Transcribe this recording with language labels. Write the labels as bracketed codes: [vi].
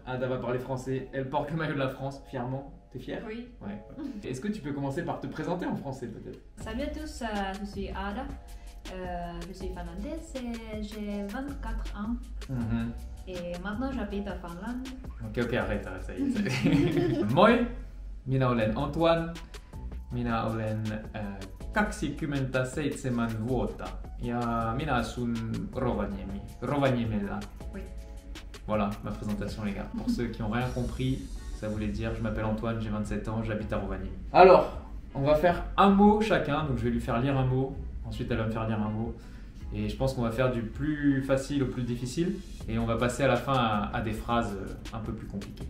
[fr] Ada va parler français, elle porte le maillot de la France, fièrement. T'es fière? Oui. Ouais. Est-ce que tu peux commencer par te présenter en français peut-être? Salut à tous, je suis Ada, je suis finlandaise, j'ai 24 ans. Et maintenant j'habite en Finlande. Ok, arrête, ça y est. [fi] Moi, minä olen Antoine, minä olen 27 vuotta. Ja minä asun Rovaniemellä. [fr] Oui. Voilà ma présentation les gars. Pour ceux qui n'ont rien compris, ça voulait dire je m'appelle Antoine, j'ai 27 ans, j'habite à Rovaniemi. Alors, on va faire un mot chacun, donc je vais lui faire lire un mot, ensuite elle va me faire lire un mot. Et je pense qu'on va faire du plus facile au plus difficile et on va passer à la fin à des phrases un peu plus compliquées.